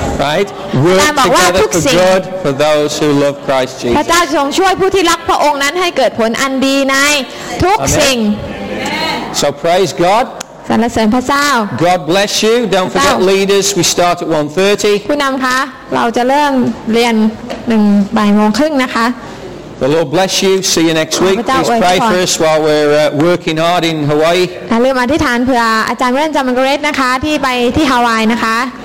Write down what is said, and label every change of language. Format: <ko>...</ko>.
<en>right work together for good for those who love Christ Jesus</en> <th>พระเจ้าทรงช่วยผู้ที่รักพระองค์นั้นให้เกิดผลอันดีในทุกสิ่ง</th> <en>So praise God</en> <th>สรรเสริญพระเจ้า</th> <en>God bless you don't forget leaders we start at 1:30</en> <th>ผู้นำคะเราจะเริ่มเรียน 1:30 นะคะ</th> <en>The Lord bless you. See you next week. Please pray for us while we're working hard in Hawaii.</en> <th>ลืมอธิษฐานเพื่ออาจารย์เวนจามังเกรสนะคะที่ไปที่ฮาวายนะคะ</th>